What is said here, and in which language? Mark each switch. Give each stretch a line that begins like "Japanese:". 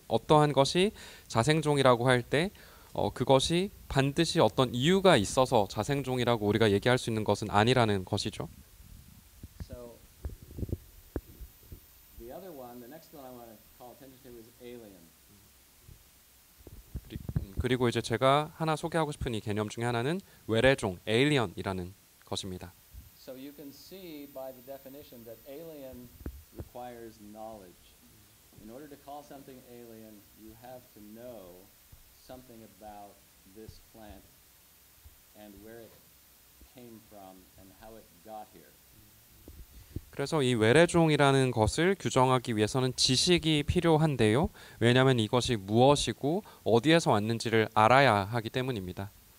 Korean: 어떠한 것이 자생종이라고 할 때 그것이 반드시 어떤 이유가 있어서 자생종이라고 우리가 얘기할 수 있는 것은 아니라는 것이죠.
English: So, the other one, the next one I want to call attention to is alien.
Korean: 그리고 이제 제가 하나 소개하고 싶은 이 개념 중에 하나는 외래종, alien이라는 것입니다.
English: So you can see by the definition that alien requires knowledge. In order to call something alien, you have to know something about this plant and where it came from and how it got here.
Korean: 그래서 이 외래종이라는 것을 규정하기 위해서는 지식이 필요한데요. 왜냐하면 이것이 무엇이고 어디에서 왔는지를 알아야 하기 때문입니다.